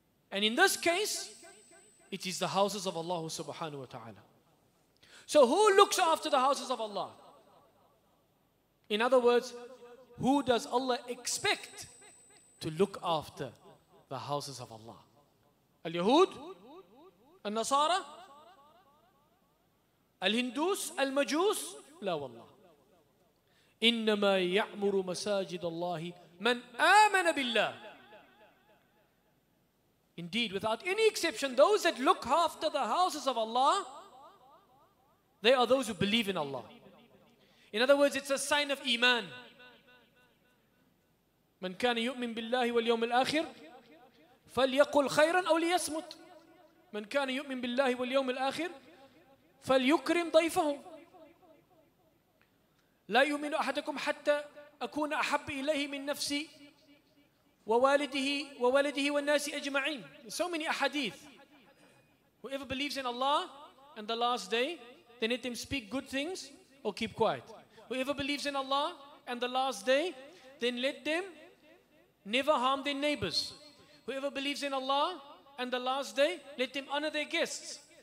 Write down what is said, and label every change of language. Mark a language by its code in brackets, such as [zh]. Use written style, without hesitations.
[en] And in this case, it is the houses of Allah subhanahu wa ta'ala. So who looks after the houses of Allah? In other words, who does Allah expect to look after the houses of Allah? Al-Yahud? Al-Nasara? [ar] الهندوس المجوس؟ لا والله. إنما يعمر مساجد الله من آمن بالله. [en] Indeed, without any exception, those that look after the houses of Allah, they are those who believe in Allah. In other words, it's a sign of إيمان. [ar] من كان يؤمن بالله واليوم الآخر فليقل خيرا أو ليصمت. من كان يؤمن بالله واليوم الآخر فليكرم ضيفه. لا يؤمن أحدكم حتى أكون أحب إليه من نفسي ووالده وولده والناس أجمعين. [en] So many ahadith. Whoever believes in Allah and the last day, then let him speak good things or keep quiet. Whoever believes in Allah and the last day, then let them never harm their neighbors. Whoever believes in Allah and the last day, let them honor their guests.